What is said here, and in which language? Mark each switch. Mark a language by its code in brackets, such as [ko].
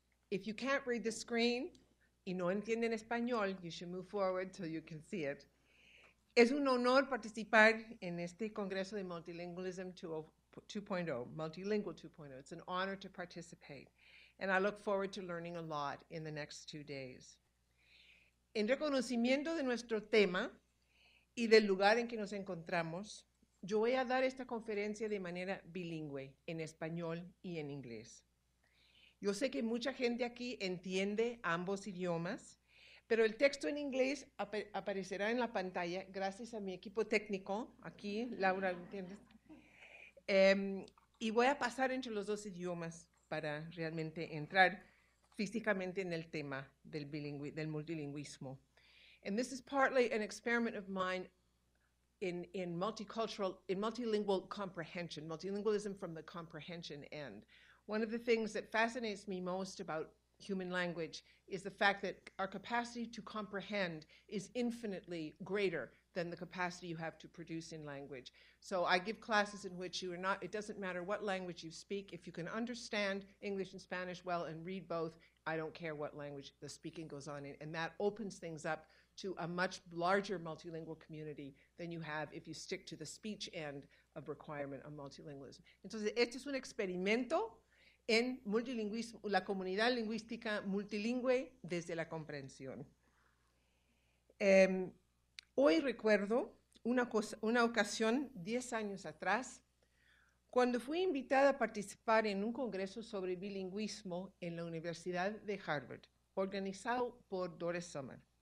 [en] If you can't read the screen [es] y no entienden español, [en] you should move forward so you can see it. [es] Es un honor participar en este Congreso de Multilingualism 2.0, Multilingual 2.0. [en] It's an honor to participate, and I look forward to learning a lot in the next 2 days. [es] En reconocimiento de nuestro tema y del lugar en que nos encontramos, yo voy a dar esta conferencia de manera bilingüe, en español y en inglés. Yo sé que mucha gente aquí entiende ambos idiomas, pero el texto en inglés aparecerá en la pantalla gracias a mi equipo técnico, aquí, Laura, ¿entiendes? Y voy a pasar entre los dos idiomas para realmente entrar físicamente en el tema del multilingüismo. [en] And this is partly an experiment of mine in multilingual comprehension, multilingualism from the comprehension end. One of the things that fascinates me most about human language is the fact that our capacity to comprehend is infinitely greater than the capacity you have to produce in language. So I give classes in which you are not, it doesn't matter what language you speak, if you can understand English and Spanish well and read both, I don't care what language the speaking goes on in, and that opens things up to a much larger multilingual community than you have if you stick to the speech end of requirement of multilingualism. [es] Entonces, este es un experimento en multilingüismo, la comunidad lingüística multilingüe desde la comprensión. Hoy recuerdo una ocasión 10 años atrás, cuando fui invitada a participar en un congreso sobre bilingüismo en la Universidad de Harvard, organizado por Doris Sommer.